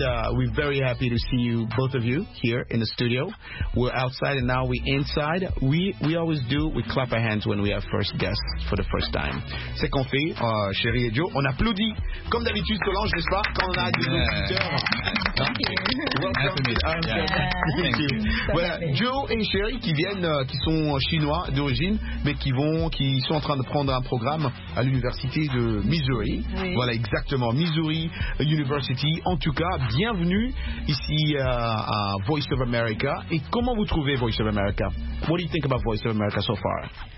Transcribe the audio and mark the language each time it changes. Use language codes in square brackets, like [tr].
[en] We're very happy to see you, both of you, here in the studio. We're outside and now we're inside. We always do. We clap our hands when we have first guests for the first time. [fr] C'est qu'on fait, Chérie et Joe, on applaudit, comme d'habitude, Solange, n'est-ce pas, quand on a des auditeurs. [en] Thank you. Welcome. Thank you. [fr] Voilà, Joe et Chérie qui viennent, qui sont chinois d'origine, mais qui sont en train de prendre un programme à l'université de Missouri. Oui. Voilà, exactement, Missouri University. En tout cas, bienvenue ici à Voice of America. Et comment vous trouvez Voice of America? [en] What do you think about Voice of America so far?